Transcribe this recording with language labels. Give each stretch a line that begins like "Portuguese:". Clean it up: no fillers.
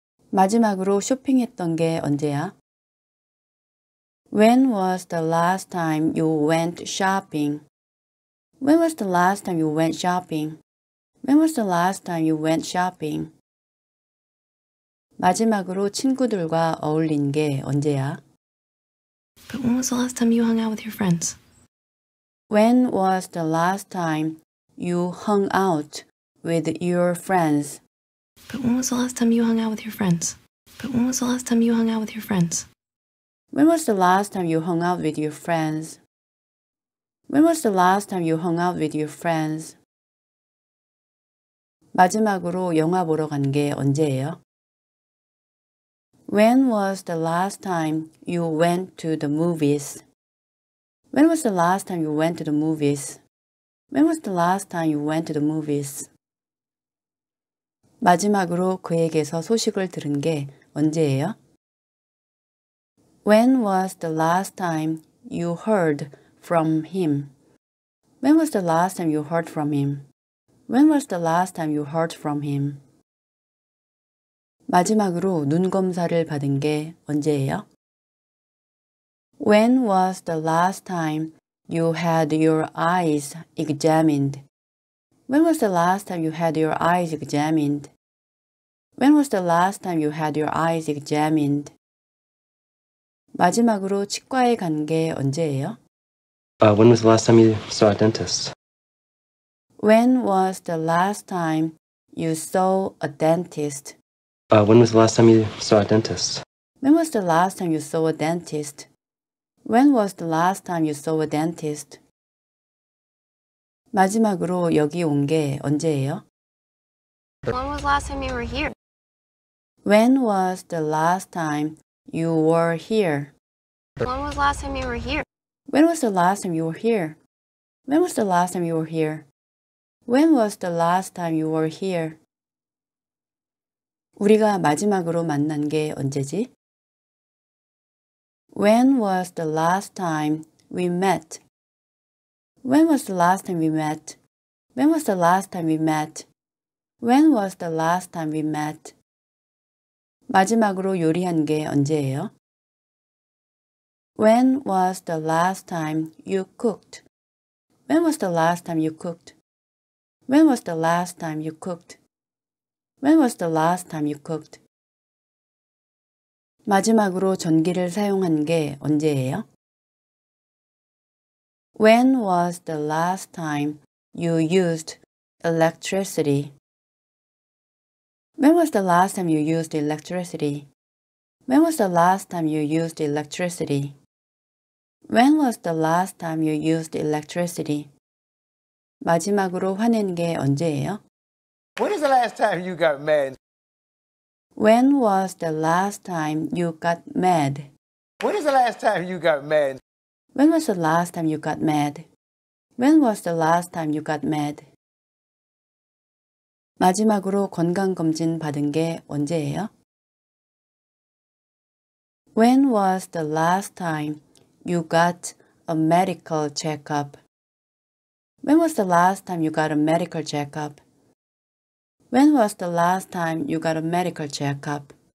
Korean: 마지막으로 쇼핑했던 게 언제야?
English: When was the last time you went shopping? When was the last time you went shopping? When was the last time you went shopping?
Korean: 마지막으로 친구들과 어울린 게 언제야?
English: But when was the last time you hung out with your friends? When was the last time you hung out with your friends? But when was the last time you hung out with your friends? But when was the last time you hung out with your friends? When was the last time you hung out with your friends? When was the last time you hung out with your friends?
Korean: 마지막으로 영화 보러 간 게 언제예요?
English: When was the last time you went to the movies? When was the last time you went to the movies? When was the last time you went to the movies?
Korean: 마지막으로 그에게서 소식을 들은 게 언제예요?
English: When was the last time you heard from him? When was the last time you heard from him? When was the last time you heard from him?
Korean: 마지막으로 눈 검사를 받은 게 언제예요?
English: When was the last time you had your eyes examined? When was the last time you had your eyes examined? When was the last time you had your eyes examined?
Korean: 마지막으로 치과에 간 게 언제예요?
English: When was the last time you saw a dentist? When was the last time you saw a dentist? When was the last time you saw a dentist? When was the last time you saw a dentist? When was the last time you saw a dentist?
Korean: 마지막으로 여기 온 게 언제예요?
English: When was the last time you were here? When was the last time you were here? When was the last time you were here? When was the last time you were here? When was the last time you were here? When was the last time you were here?
Korean: 우리가 마지막으로 만난 게 언제지?
English: When was the last time we met? When was the last time we met? When was the last time we met? When was the last time we met?
Korean: 마지막으로 요리한 게 언제예요?
English: When was the last time you cooked? When was the last time you cooked? When was the last time you cooked? When was the last time you cooked?
Korean: 마지막으로 전기를 사용한 게 언제예요?
English: When was the last time you used electricity? When was the last time you used electricity? When was the last time you used electricity? When was the last time you used electricity?
Korean: 마지막으로 화낸 게 언제예요?
English: When is the last time you got mad? When was the last time you got mad? When is the last time you got mad? When was the last time you got mad? When was the last time you got mad?
Korean: 마지막으로 건강검진 받은 게 언제예요?
English: When was the last time you got a medical checkup? When was the last time you got a medical checkup? When was the last time you got a medical checkup?